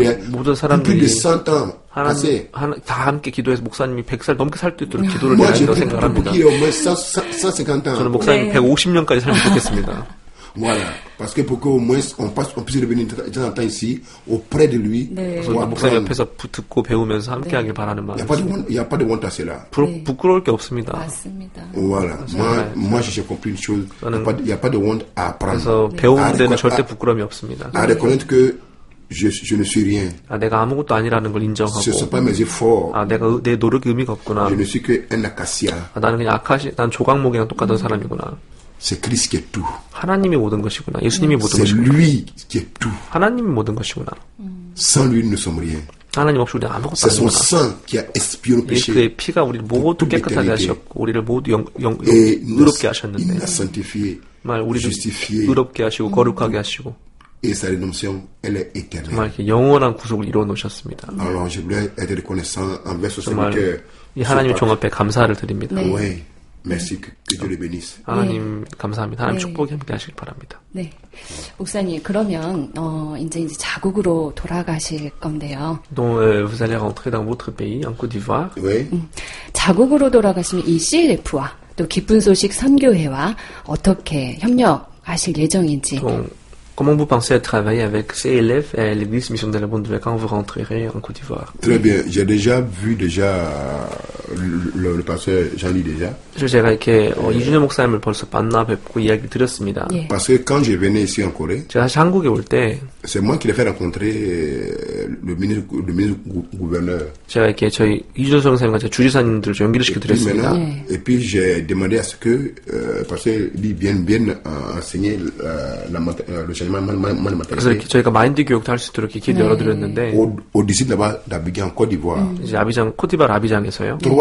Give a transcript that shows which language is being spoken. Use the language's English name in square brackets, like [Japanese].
[Korean] 모든 사람들이 다 함께 기도해서 목사님이 100살 넘게 살 수 있도록 기도를 해야 된다고 생각합니다. 저는 목사님이 150년까지 살면 좋겠습니다. [French] Voilà, parce que pour qu'au moins on puisse revenir de temps en temps ici auprès de lui. [Korean] 목사님 옆에서 듣고 배우면서 함께하길 바라는 마음. [French] Il y a pas de honte à cela. [Korean] 부끄러울 게 없습니다. 맞습니다. [French] Voilà, moi j'ai compris une chose. Il y a pas de honte à apprendre. [Korean] 그래서 배우는 데는 절대 부끄러움이 없습니다. [French] À reconnaître que je ne suis rien. [Korean] 아, 내가 아무것도 아니라는 걸 인정하고. [French] Ce sont pas mes efforts. [Korean] 아, 내가 내 노력이 의미가 없구나. [French] Je ne suis qu'un acacia. [Korean] 아, 나는 그냥 아카시, 난 조각목이랑 똑같은 사람이구나. [French] C'est Christ qui est tout. [Korean] 하나님이 모든 것이구나. 예수님이 모든 [French] c'est [Korean] 것이구나. [French] Lui qui est tout. [Korean] 하나님이 모든 것이구나. [French] Sans lui, nous sommes rien. [Korean] 하나님 없이 우리는 아무것도 [French] c'est [Korean] 아닙니다. [French] Son sang qui a expié nos péchés. [Korean] 예, 그의 피가 우리 모두 깨끗하게 하셨고 우리를 모두 영 의롭게 하셨는데. [French] Il nous a sanctifié. [Korean] 말 우리를 justifié, 의롭게 하시고 거룩하게 하시고. [French] Et sa rédemption, elle est éternelle. [Korean] 정말 이렇게 영원한 구속을 이루어 놓으셨습니다. [French] Alors, je voulais être reconnaissant envers ce Seigneur. [Korean] 이 하나님 종 앞에 감사를 드립니다. 네. [French] Oui. Merci que Dieu le bénisse. [Korean] 하나님 감사합니다. 하나님 네. 축복이 함께하시길 바랍니다. 네, 목사님 그러면 이제 자국으로 돌아가실 건데요. [French] Donc vous allez rentrer dans votre pays en Côte d'Ivoire. Oui. [Korean] 자국으로 돌아가시면 ECLF와 또 기쁜 소식 선교회와 어떻게 협력하실 예정인지. [French] Donc Comment vous pensez à travailler avec ces élèves à l'église Mission de la Bonne Nouvelle quand vous rentrerez en Côte d'Ivoire? Très bien, j'ai déjà vu déjà le pasteur Jean-Louis déjà. Je dirais que [Korean] Yijunyeo 목사님을 벌써 만나 뵙고 이야기 들었습니다. [French] Parce que quand je venais ici en Corée, [Korean] 제가 한국에 올 때, [French] c'est moi qui l'ai fait rencontrer le ministre gouverneur. [Korean] 제가 이렇게 저희 이준석 선생님과 주지사님들 연결을 시켜드렸습니다. [French] Et puis j'ai demandé à ce que pasteur lui vienne bien enseigner la matière. [Korean] 그래서 이렇게 저희가 마인드 교육도 할 수 있도록 이렇게 네. 열어드렸는데 [French] d'Abidjan, Côte d'Ivoire. [Korean] 이제 아비장, 코트디바르 아비장에서요.